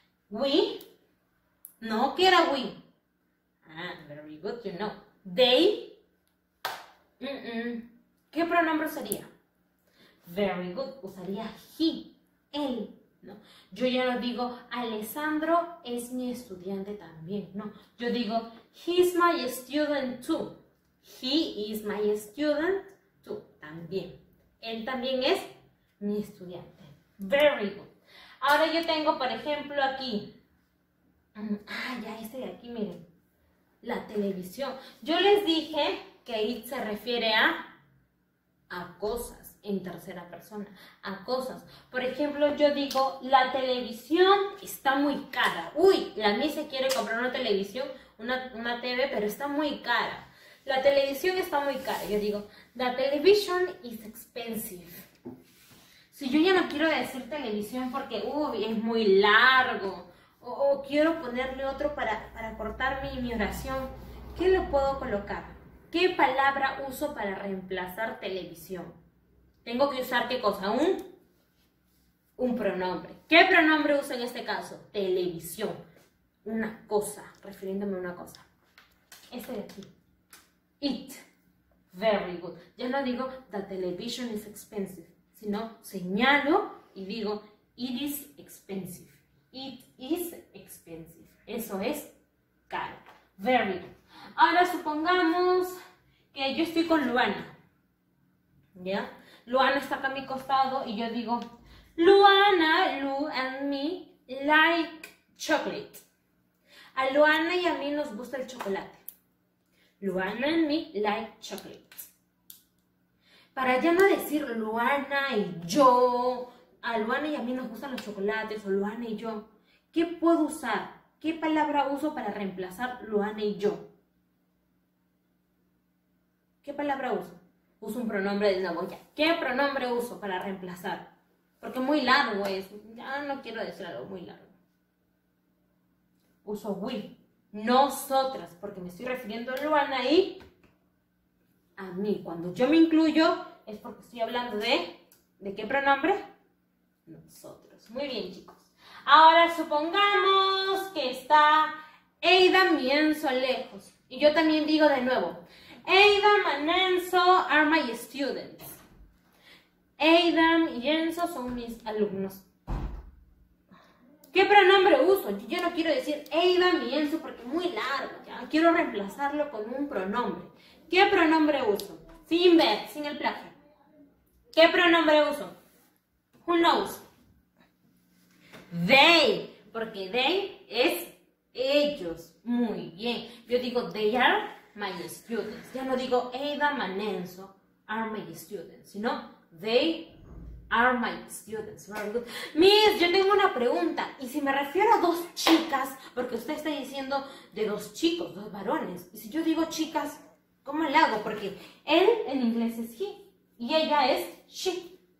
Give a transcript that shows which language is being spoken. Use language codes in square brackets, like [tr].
[en] We. [es] No, ¿qué era we? [en] Ah, very good, you know. They. [es] ¿Qué pronombre usaría? [en] Very good. [es] Usaría he. Él. No. Yo ya no digo, Alessandro es mi estudiante también, no. Yo digo, [en] he's my student too. He is my student too, [es] también. Él también es mi estudiante. [en] Very good. [es] Ahora yo tengo, por ejemplo, aquí. Ah, ya este de aquí, miren. La televisión. Yo les dije que it se refiere a cosas. En tercera persona, a cosas. Por ejemplo, yo digo, la televisión está muy cara. Uy, la Mise quiere comprar una televisión, una TV, pero está muy cara. La televisión está muy cara. Yo digo, [en] the television is expensive. [es] Si yo ya no quiero decir televisión porque, uy, es muy largo, o quiero ponerle otro para cortar mi oración, ¿qué le puedo colocar? ¿Qué palabra uso para reemplazar televisión? Tengo que usar, ¿qué cosa? Un pronombre. ¿Qué pronombre uso en este caso? Televisión. Una cosa, refiriéndome a una cosa. Este de aquí. It. [en] Very good. [es] Ya no digo, [en] the television is expensive, [es] sino señalo y digo, [en] it is expensive. It is expensive. [es] Eso es caro. [en] Very good. [es] Ahora supongamos que yo estoy con Luana. ¿Ya? Luana está acá a mi costado y yo digo, Luana, [en] Lu and me like chocolate. [es] A Luana y a mí nos gusta el chocolate. [en] Luana and me like chocolate. [es] Para ya no decir Luana y yo, a Luana y a mí nos gustan los chocolates, o Luana y yo, ¿qué puedo usar? ¿Qué palabra uso para reemplazar Luana y yo? ¿Qué palabra uso? Uso un pronombre de Nagoya. ¿Qué pronombre uso para reemplazar? Porque muy largo es. Ya no quiero decir algo muy largo. Uso we. Nosotras. Porque me estoy refiriendo a Luana y a mí. Cuando yo me incluyo, es porque estoy hablando de. ¿De qué pronombre? Nosotros. Muy bien, chicos. Ahora supongamos que está Eida Mienzo lejos. Y yo también digo de nuevo. [en] Aidan and Enzo are my students. [es] Aidan y Enzo son mis alumnos. ¿Qué pronombre uso? Yo no quiero decir Aidan y Enzo porque es muy largo. Ya. Quiero reemplazarlo con un pronombre. ¿Qué pronombre uso? Sin ver, sin el plagio. ¿Qué pronombre uso? [en] Who knows? They. [es] Porque they es ellos. Muy bien. Yo digo [en] they are my students. [es] Ya no digo [en] Aida Manenso are my students, [es] sino [en] they are my students. Very good. [es] Miss, yo tengo una pregunta. Y si me refiero a dos chicas, porque usted está diciendo de dos chicos, dos varones. Y si yo digo chicas, ¿cómo le hago? Porque él en inglés es he y ella es she.